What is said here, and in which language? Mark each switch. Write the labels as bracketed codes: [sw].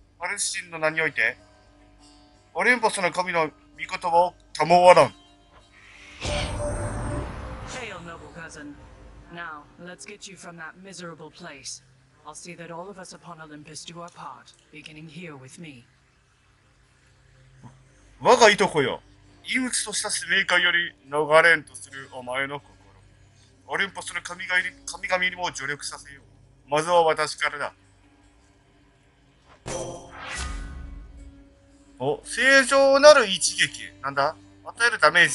[ja] パレスチンの名において、オリンポスの神の御言葉を賜らん。 [en] Hail, noble cousin. Now, let's get you from that miserable place. I'll see that all of us upon Olympus do our part, beginning here with me. [ja] 我がいとこよ、陰鬱とした使命感より逃れんとするお前の心、オリンポスの神々にも助力させよう。まずは私からだ。お、正常なる一撃。なんだ、与えるダメージ。